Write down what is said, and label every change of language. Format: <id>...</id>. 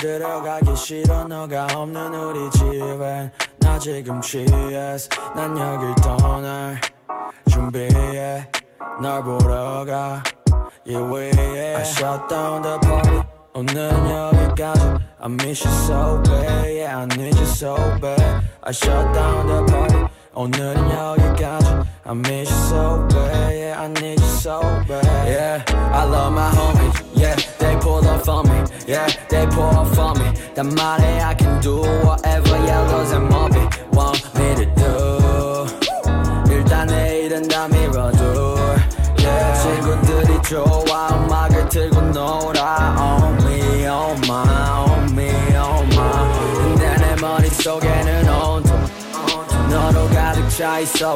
<ko>들어가기 싫어 너가 없는 우리 집에. 나 지금 취했어 난 여길 떠날 준비해 널 보러 가.</ko> <en>Yeah, we, yeah. I shut down the party.</en> <ko>오늘은 여기까지.</ko> <en>I miss you so bad. Yeah, I need you so bad. I shut down the party.</en> <ko>오늘은 여기까지.</ko> <en>I miss you so bad. Yeah, I need you so bad. Yeah, I love my homies. Yeah, they pull up for me. Yeah, they pull up for me. That money I can do whatever yellows and mommy want me to do.</en> <ko>일단 내일은 다 밀어둬. 친구들이 좋아 음악을 틀고 놀아.</ko> <en>On me, on my, on me, on my.</en> <ko>근데 내 머릿속에는 온통 너로 가득 차 있어.</ko>